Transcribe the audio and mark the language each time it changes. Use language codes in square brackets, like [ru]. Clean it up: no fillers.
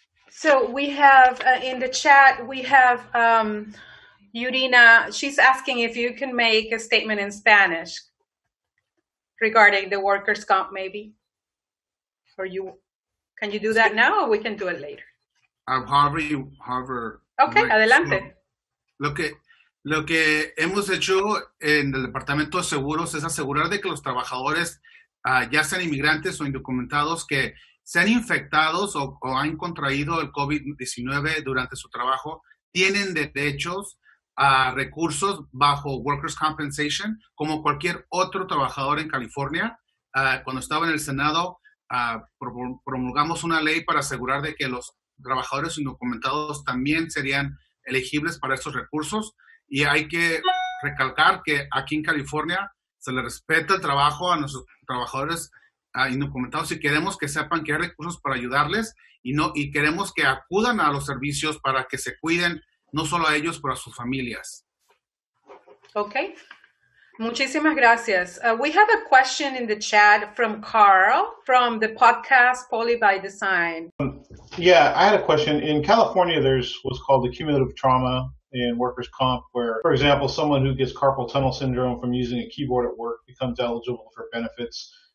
[en] So we have in the chat, we have Yurina, she's asking if you can make a statement in Spanish regarding the workers' comp, maybe. Or you, can you do that now, or we can do it later? However. [es] Okay, adelante. Lo que hemos hecho en el Departamento de Seguros es asegurar de que los trabajadores, ya sean inmigrantes o indocumentados, que sean infectados o han contraído el COVID-19 durante su trabajo, tienen derechos a recursos bajo Workers' Compensation, como cualquier otro trabajador en California. Cuando estaba en el Senado, promulgamos una ley para asegurar de que los trabajadores indocumentados también serían elegibles para estos recursos. Y hay que recalcar que aquí en California se le respeta el trabajo a nuestros trabajadores indocumentados, y queremos que sepan que hay recursos para ayudarles, y queremos que acudan a los servicios para que se cuiden, no solo a ellos, pero a sus familias. Okay. Muchísimas gracias. [en] We have a question in the chat from Carl from the podcast Poly by Design. Yeah, I had a question. In California, there's what's called the cumulative trauma in workers' comp, where, for example, someone who gets carpal tunnel syndrome from using a keyboard at work becomes eligible for benefits.